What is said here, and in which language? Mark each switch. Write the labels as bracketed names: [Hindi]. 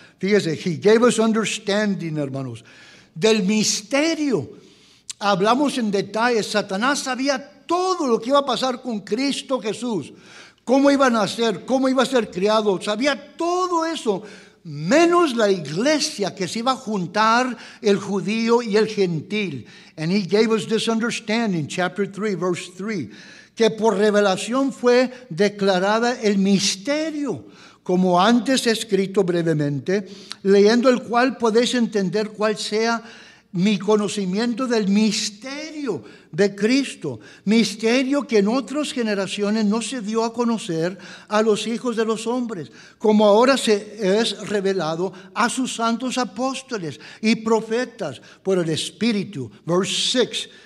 [Spanish] Fíjese, [English] he gave us understanding, [Spanish] hermanos. Del misterio, hablamos en detalle. Satanás sabía todo lo que iba a pasar con Cristo Jesús. Cómo iba a nacer, cómo iba a ser criado. Sabía todo eso, menos la iglesia que se iba a juntar el judío y el gentil. [English] And he gave us this understanding, chapter 3, verse 3. [Spanish] Que por revelación fue declarada el misterio, como antes he escrito brevemente, leyendo el cual podéis entender cuál sea mi conocimiento del misterio de Cristo, misterio que en otras generaciones no se dio a conocer a los hijos de los hombres, como ahora se es revelado a sus santos apóstoles y profetas por el Espíritu. [English] Verse 6.